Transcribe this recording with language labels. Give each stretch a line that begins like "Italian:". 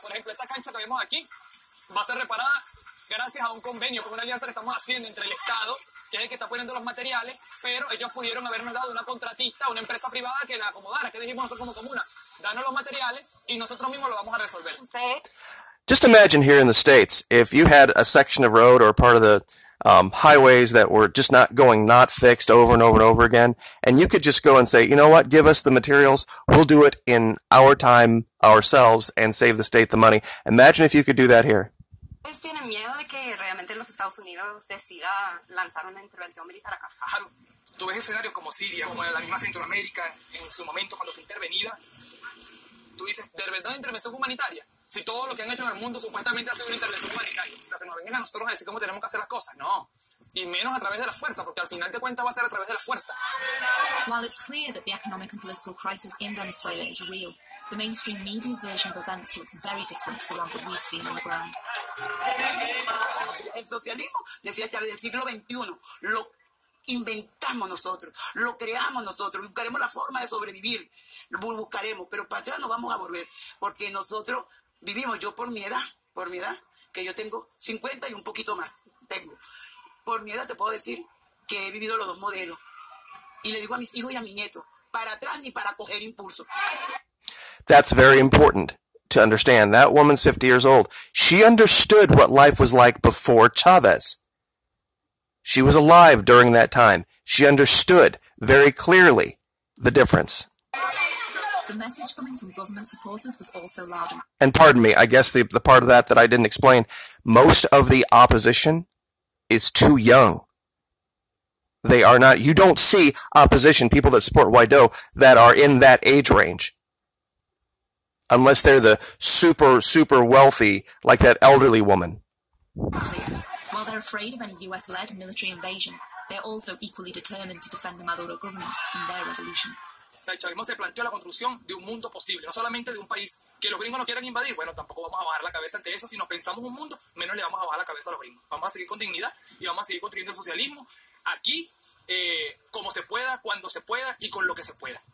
Spanish: Por ejemplo, esta cancha que vemos aquí va a ser reparada gracias a un convenio, con una alianza que estamos haciendo entre el Estado, que es el que está poniendo los materiales, pero ellos pudieron habernos dado una contratista, una empresa privada que la acomodara. ¿Qué dijimos nosotros como comuna? Danos los materiales y nosotros mismos lo vamos a resolver.
English: Okay. Just imagine here in the States, if you had a section of road or part of the highways that were just not going, not fixed over and over and over again, and you could just go and say, you know what, give us the materials, we'll do it in our time, ourselves, and save the state the money. Imagine if you could do that here.
Spanish: ¿Tienen miedo de que realmente los Estados Unidos decida lanzar una intervención militar acá? Claro, tú ves escenarios como Siria, como la misma Centroamérica en su momento cuando fue intervenida. Tú dices, ¿de verdad una intervención humanitaria? Si todo lo que han hecho en el mundo supuestamente ha sido una intervención humanitaria, lo que nos vengan a nosotros a decir cómo tenemos que hacer las cosas, no. Y menos a través de la fuerza, porque al final de cuentas va a ser a través de la fuerza.
English: While it's clear that the economic and political crisis in Venezuela is real, the mainstream media's version of events looks very different to the one that we've seen on the ground.
Spanish: El socialismo, decía Chávez, del siglo XXI, lo inventamos nosotros, lo creamos nosotros, buscaremos la forma de sobrevivir, lo buscaremos, pero para atrás no vamos a volver, porque nosotros vivimos, yo por mi edad, que yo tengo 50 y un poquito más, tengo. Por mi edad te puedo decir que he vivido los dos modelos. Y le digo a mis hijos y a mi nieto, para atrás ni para coger impulso.
English: That's very important to understand. That woman's 50 years old. She understood what life was like before Chavez. She was alive during that time. She understood very clearly the difference. The message coming from government supporters was also loud. And pardon me, I guess the part of that I didn't explain. Most of the opposition is too young. They are not. You don't see opposition, people that support Guaido, that are in that age range. Unless they're the super, super wealthy, like that elderly woman. While they're afraid of any US-led military invasion, they're also equally determined to defend the Maduro government and their revolution.
Spanish: O sea, el chavismo se planteó la construcción de un mundo posible, no solamente de un país que los gringos no quieran invadir. Bueno, tampoco vamos a bajar la cabeza ante eso. Si nos pensamos un mundo, menos le vamos a bajar la cabeza a los gringos. Vamos a seguir con dignidad y vamos a seguir construyendo el socialismo aquí, como se pueda, cuando se pueda y con lo que se pueda.